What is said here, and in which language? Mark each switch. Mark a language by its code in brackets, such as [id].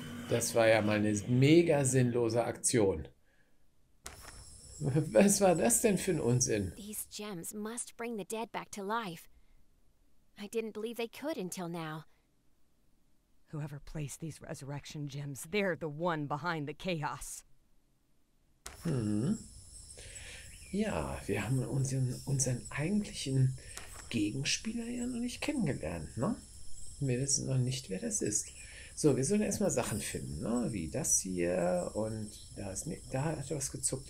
[de] Das war ja mal eine mega sinnlose Aktion. Was war das denn für ein Unsinn? [en] These gems must bring the dead back to life. I didn't believe they could until now. Whoever placed these resurrection gems, they're the one behind the chaos. [de] Ja, wir haben unseren eigentlichen Gegenspieler ja noch nicht kennengelernt, ne? Wir wissen noch nicht, wer das ist. So, wir sollen erstmal Sachen finden, ne? Wie das hier und da ist ne, da hat was gezuckt.